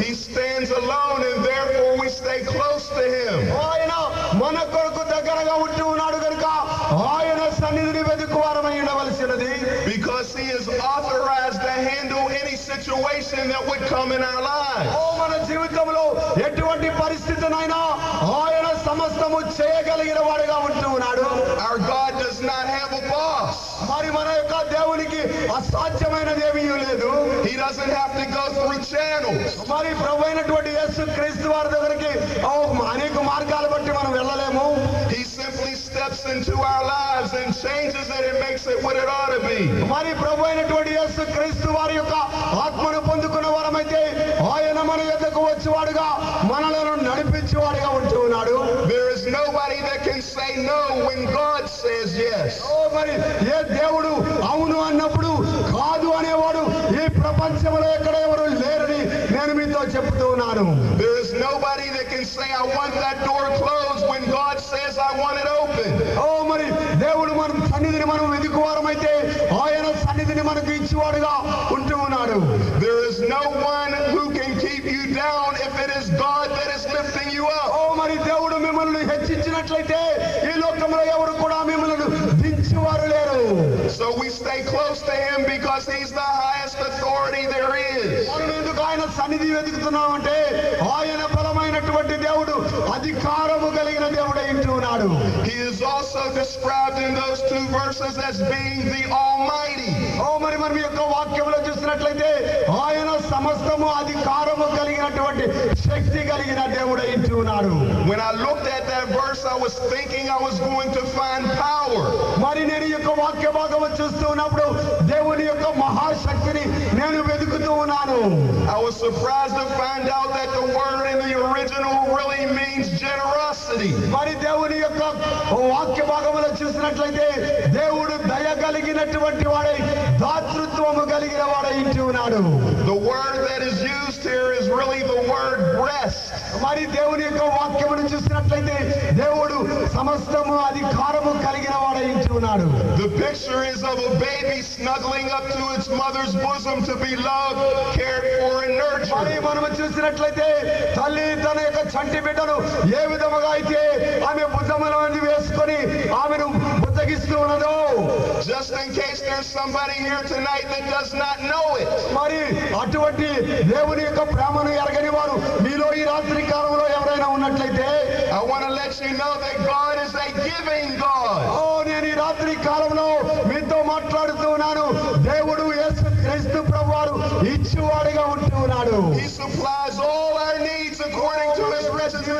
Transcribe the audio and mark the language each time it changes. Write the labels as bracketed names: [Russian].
[English] He stands alone, and therefore we stay close to Him. [Telugu] మనకొరకు దగ్గరగా ఉంటూ ఉన్నాడు గనుక ఆయన సన్నిధిని వెతుకువారమై ఉండవలసినది. [English] Because he is authorized to handle any situation that would come in our lives. [Telugu] ఓ మన జీవితంలో ఎటువంటి పరిస్థితినైనా ఆయన సమస్తము చేయగలిగిన వాడుగా ఉంటూ ఉన్నాడు. [English] Our God does not have a boss. [Telugu] మరి మన యొక్క దేవునికి అసాధ్యమైనది ఏమీ లేదు. [English] He doesn't have to go through channels. [Telugu] మరి ప్రభు అయినటువంటి యేసు క్రీస్తు వారి దగ్గరికి అనేక మార్గాలు బట్టి మనం వెళ్ళలేము. [English] He simply steps into our lives and changes it and makes it what it ought to be. [Telugu] మరి ప్రభు అయినటువంటి యేసు క్రీస్తు వారి యొక్క ఆత్మను పొందుకున్న వారమైతే ఆయన మన యొద్దకు వచ్చేవాడుగా మనలను నడిపించేవాడుగా ఉంటూ ఉన్నాడు. [English] There is nobody that can say no when God says yes. [Telugu] ఓ మరి ఏ దేవుడు అవును అన్నప్పుడు కాదు అనేవాడు ఈ ప్రపంచంలో ఎక్కడ ఎవరు లేరని నేను మీతో చెప్తూ ఉన్నాను. [English] There is nobody that can say I want that door closed when God says I want it open. [Telugu] ఓ మరి దేవుడు మన సన్నిధిని మనం వెతుకువారమైతే ఆయన సన్నిధిని మనకు ఇచ్చేవాడుగా ఉంటూ ఉన్నాడు. [English] There is no one who can keep you down if it is God that is lifting you up. [Telugu] ఓ మరి దేవుడు మిమ్మల్ని హెచ్చించినట్లయితే ఈ లోకంలో ఎవరు కూడా మిమ్మల్ని దించేవారు లేరు. [English] So we stay close to him because he's the highest authority there is. [Telugu] మనం ఎందుకు ఆయన సన్నిధి వెతుకుతున్నామంటే ఆయన బలమైనటువంటి దేవుడు అధికారము కలిగిన దేవుడు అంటూ ఉన్నాడు. [English] He is also described in those two verses as being the Almighty. [Telugu] ఓ మరి మరి యొక్క వాక్యంలో చూసినట్లయితే ఆయన సమస్తము అధికారము కలిగినటువంటి శక్తి కలిగిన దేవుడు అంటూ ఉన్నాడు. [English] When I looked at that verse, I was thinking I was going to find power. [Telugu] మరి నేను యొక్క వాక్య భాగం చూస్తూ ఉన్నప్పుడు దేవుని యొక్క మహాశక్తిని నేను వెతుకుతూ ఉన్నాను. [English] I was surprised to find out that the word in the original really means generosity. [Telugu] మరి దేవుని యొక్క వాక్య భాగంలో చూసినట్లయితే దేవుడు దయ కలిగినటువంటి వాడై దాతృత్వము కలిగిన వాడై ఉంటూ ఉన్నాడు. [English] The word that is used here is really the word breast. [Telugu] మరి దేవుని యొక్క వాక్యమును చూసినట్లయితే దేవుడు సమస్తము అధికారము కలిగిన వాడై ఉంటూ ఉన్నాడు. [English] The picture is of a baby snuggling up to its mother's bosom to be loved, cared for and nurtured. [Telugu] మరి మనం చూసినట్లయితే తల్లి తన యొక్క చంటి బిడ్డను ఏ విధముగా అయితే ఆమె భుజముల నుండి వేసుకొని ఆమెను బుద్ధగిస్తూ ఉన్నదో. [English] Just in case there's somebody here tonight that does not know it. [Telugu] మరి అటువంటి దేవుని యొక్క ప్రేమను ఎరగని వారు మీలో ఈ రాత్రి కాలంలో ఎవరైనా ఉన్నట్లయితే [English] I want to let you know that God is a giving God. [Telugu] ఓ నేను ఈ రాత్రి కాలంలో మీతో మాట్లాడుతూ ఉన్నాను. దేవుడు యేసు క్రీస్తు ప్రభువారు ఇచ్చేవాడుగా ఉంటూ ఉన్నాడు. [English] He supplies all our needs according to his riches.